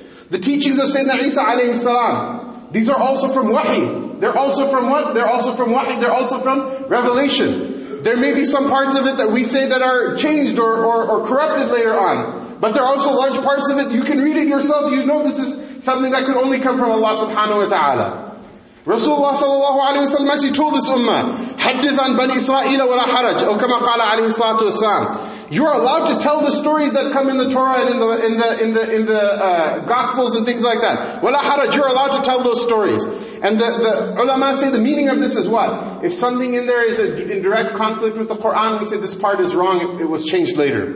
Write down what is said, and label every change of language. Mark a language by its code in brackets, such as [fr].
[en] The teachings of Sayyidina Isa alayhi salam, these are also from Wahi. They're also from what? They're also from Wahi. They're also from Revelation. There may be some parts of it that we say that are changed or corrupted later on. But there are also large parts of it. You can read it yourself. You know this is something that could only come from Allah subhanahu wa ta'ala. Rasulullah sallallahu alayhi wa sallam actually told this ummah, [ar] حَدِّثْ عَنْ بَنِي إِسْرَائِيلَ وَلَا حَرَجْ أَوْ كَمَا قَالَ عَلَيْهِ الصَّلَاةُ وَالسَّلَامُ. [en] You are allowed to tell the stories that come in the Torah and in the Gospels and things like that. [ar] وَلَا حَرَجْ. [en] You're allowed to tell those stories. And the ulama say the meaning of this is what? If something in there is in direct conflict with the Qur'an, we say this part is wrong, it was changed later.